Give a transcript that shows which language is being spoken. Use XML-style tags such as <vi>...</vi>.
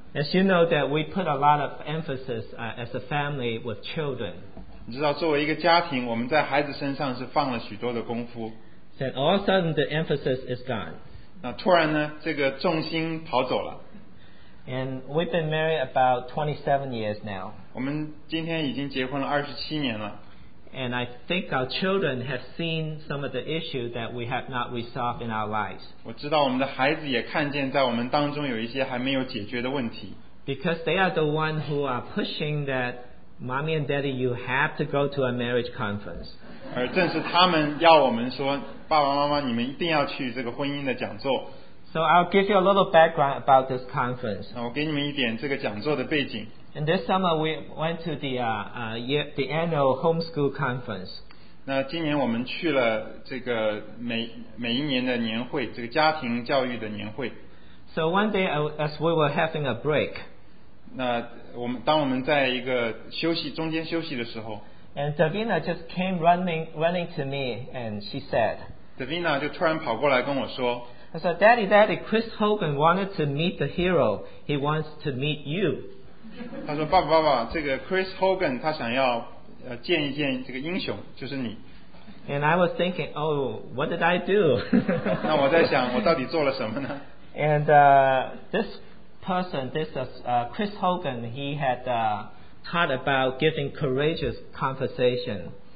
<en>？As you know that we put a lot of emphasis as a family with children.</en> <zh>你知道，作为一个家庭，我们在孩子身上是放了许多的功夫。</zh> <en>Then all of a sudden the emphasis is gone.</en> <zh>那突然呢，这个重心跑走了。</zh> <en>And we've been married about 27 years now.</en> <zh>我们今天已经结婚了27年了。</zh> <en>And I think our children have seen some of the issues that we have not resolved in our lives.</en> <zh>我知道我们的孩子也看见在我们当中有一些还没有解决的问题。</zh> <en>Because they are the ones who are pushing that mommy and daddy, you have to go to a marriage conference.</en> <zh>而正是他们要我们说，爸爸妈妈，你们一定要去这个婚姻的讲座。</zh> <en>So I'll give you a little background about this conference.</en> <zh>我给你们一点这个讲座的背景。</zh> <en>And this summer we went to the annual homeschool conference.</en> <zh>那今年我们去了这个每一年的年会，这个家庭教育的年会。</zh> <en>So one day as we were having a break.</en> <zh>那当我们在一个休息中间休息的时候。</zh> <en>And Davina just came running to me and she said.</en> <zh>Davina 就突然跑过来跟我说。</zh> <en>I said, Daddy, Daddy, Chris Hogan wanted to meet the hero. He wants to meet you.</en> <zh>他说，爸爸，爸爸，这个 Chris Hogan 他想要见一见这个英雄，就是你。</zh> <en>And I was thinking, oh, what did I do?</en> <zh>那我在想，我到底做了什么呢？</zh> <en>And this person, Chris Hogan, he had taught about giving courageous conversation.</en>